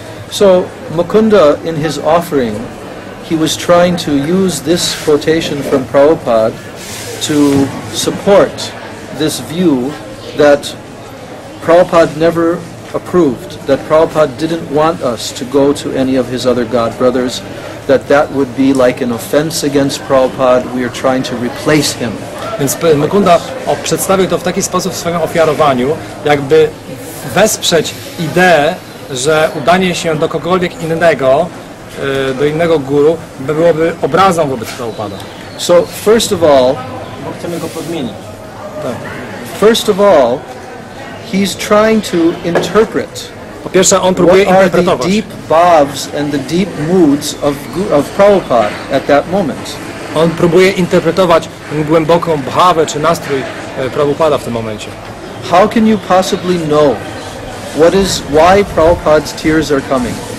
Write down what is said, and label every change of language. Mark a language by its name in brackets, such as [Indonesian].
[English] So Mukunda, in his offering, he was trying to use this quotation from Prabhupada to support this view that Prabhupada never approved that Prabhupada didn't want us to go to any of his other god brothers, that that would be like an offense against Prabhupada, we are trying to replace him. [Polish] Więc Mukunda przedstawił to w taki sposób w swoim ofiarowaniu, jakby wesprzeć ideę, że udanie się do kogokolwiek innego, do innego guru, byłoby obrazą wobec Prabhupada. [English] So first of all, [Polish] bo chcemy go podmienić. Tak. [English] First of all, he's trying to interpret. [Polish] Po pierwsze, on próbuje [English] what are [Polish] interpretować [English] the deep bhavs and the deep moods of Prabhupada at that moment. [Polish] On próbuje interpretować głęboką bhawę czy nastrój Prabhupada w tym momencie. [English] How can you possibly know what is why Prabhupada's tears are coming?